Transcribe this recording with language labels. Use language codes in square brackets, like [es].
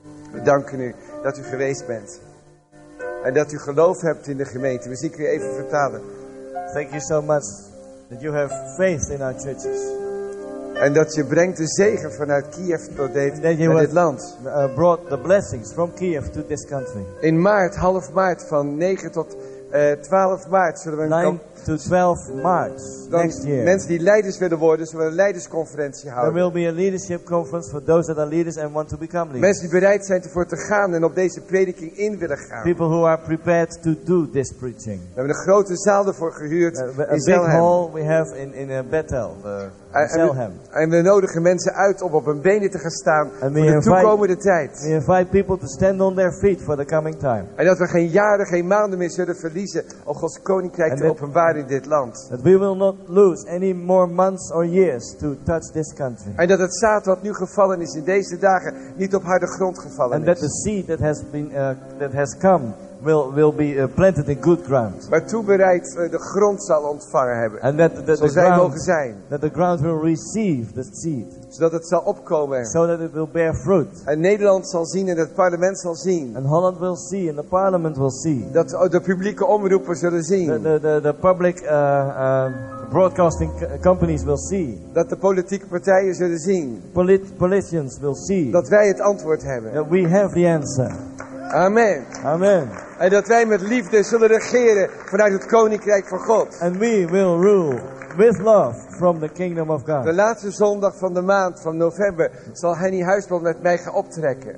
[nl] We danken u dat u geweest bent. En dat u geloof hebt in de gemeente. We zien u even vertalen. [en] Thank you so much that you have faith in our churches. [nl] En dat je brengt de zegen vanuit Kiev tot dit land. [en] Brought the blessings from Kiev to this country. [nl] In maart, half maart van 9 tot 12 maart zullen we [en] een 9 to 12 March next year. [nl] Mensen die leiders willen worden, zullen we een leidersconferentie houden. [en] There will be a leadership conference for those that are leaders and want to become leaders. [nl] Mensen die bereid zijn ervoor te gaan en op deze prediking in willen gaan. [en] People who are prepared to do this preaching. [nl] We hebben een grote zaal ervoor gehuurd in Zelhem. [en] A big hall we have in Bethel, Zelhem. [nl] En we nodigen mensen uit om op hun benen te gaan staan voor de toekomende tijd. [en] We invite people to stand on their feet for the coming time. [nl] En dat we geen jaren, geen maanden meer zullen verliezen om Gods koninkrijk te openbaren. In dit land. [en] That we will not lose any more months or years to touch this country. [nl] En dat het zaad wat nu gevallen is in deze dagen niet op harde grond gevallen [en] and [nl] is. [en] And that the seed that has been that has come will be planted in good ground. [nl] Waar toebereid de grond zal ontvangen hebben. [en] And that the [nl] zoals wij mogen zijn. [en] That the ground will receive the seed. [nl] Zodat het zal opkomen. [en] So that it will bear fruit. [nl] En Nederland zal zien en het parlement zal zien. [en] And Holland will see and the parliament will see. [nl] Dat de publieke omroepen zullen zien. [en] The public broadcasting companies will see. [nl] Dat de politieke partijen zullen zien. [en] Politicians will see. [nl] Dat wij het antwoord hebben. [en] That we have the answer. Amen. Amen. [nl] En dat wij met liefde zullen regeren vanuit het koninkrijk van God. [en] And we will rule with love from the kingdom of God. [nl] De laatste zondag van de maand van november zal Henny Huisman met mij gaan optrekken.